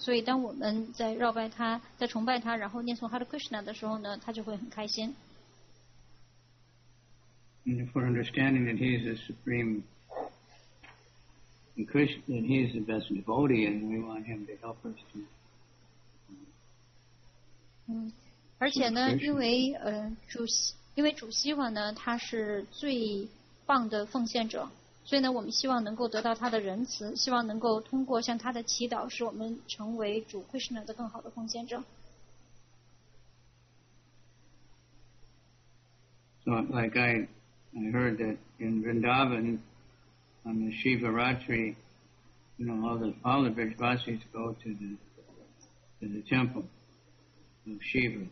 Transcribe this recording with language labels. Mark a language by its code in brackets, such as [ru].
[zh] 所以当我们在绕拜他，在崇拜他，然后念诵 Hare Krishna 的时候呢，他就会很开心。 [en] And if we're understanding that he's the supreme Krishna, then he's the best devotee, and we want him to help us to [zh] 而且呢，因为因为主希望呢，他是最棒的奉献者，所以呢，我们希望能够得到他的仁慈，希望能够通过向他的祈祷，使我们成为主会圣者的更好的奉献者。 [en] So like I heard that in Vrindavan on the Shivaratri, you know, all the Vrijvasis go to the temple of Shiva.